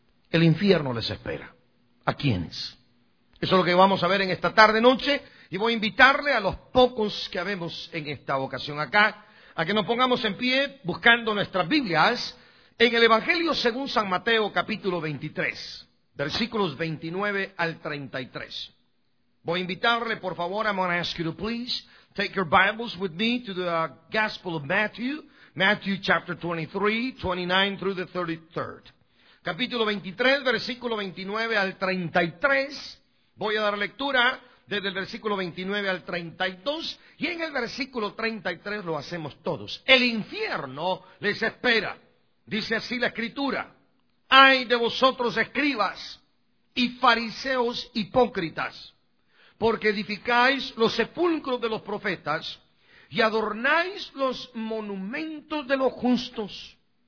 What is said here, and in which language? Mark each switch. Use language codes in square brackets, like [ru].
[es] El infierno les espera. ¿A quiénes? Eso es lo que vamos a ver en esta tarde-noche y voy a invitarle a los pocos que habemos en esta ocasión acá a que nos pongamos en pie buscando nuestras Biblias en el Evangelio según San Mateo, capítulo 23, versículos 29 al 33. Voy a invitarle, por favor, [en] I'm going to ask you to please take your Bibles with me to the Gospel of Matthew, Matthew chapter 23, 29 through the 33rd. [es] Capítulo 23, versículo 29 al 33. Voy a dar lectura desde el versículo 29 al 32, y en el versículo 33 lo hacemos todos. El infierno les espera, dice así la Escritura. ¡Ay de vosotros, escribas y fariseos hipócritas, porque edificáis los sepulcros de los profetas y adornáis los monumentos de los justos!